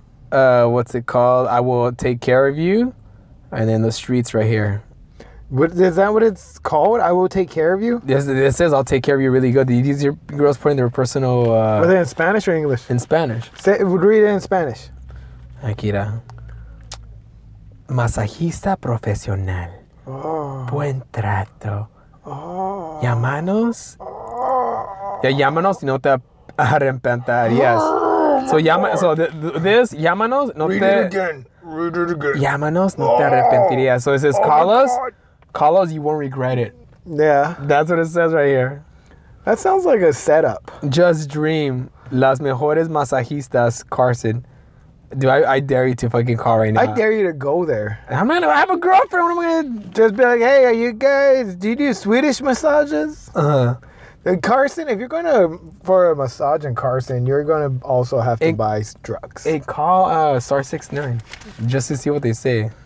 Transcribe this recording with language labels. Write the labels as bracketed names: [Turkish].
[English] What's it called? I will take care of you. And then the streets right here. What is that, what it's called? I will take care of you? It says I'll take care of you really good. These are girls putting their personal... Are they in Spanish or English? In Spanish. Say, read it in Spanish. Akira. [Spanish] Masajista profesional. Oh. Buen trato. Oh. Llámanos. Yeah, llámanos y no te arrepentarías. [English] So, this, [Spanish] llámanos, no [English] read [Spanish] te... [English] Read it again. [Spanish] Llámanos, no te arrepentirías. [English] So, it says, call us. Call us, you won't regret it. Yeah. That's what it says right here. That sounds like a setup. Just dream. [Spanish] Las mejores masajistas, Carson. [English] Dude, I dare you to fucking call right now. I dare you to go there. I'm gonna have a girlfriend. I'm gonna just be like, hey, are you guys, do you do Swedish massages? Uh-huh. And Carson, if you're going to for a massage in Carson, you're going to also have to buy drugs. Hey, call Star69 just to see what they say.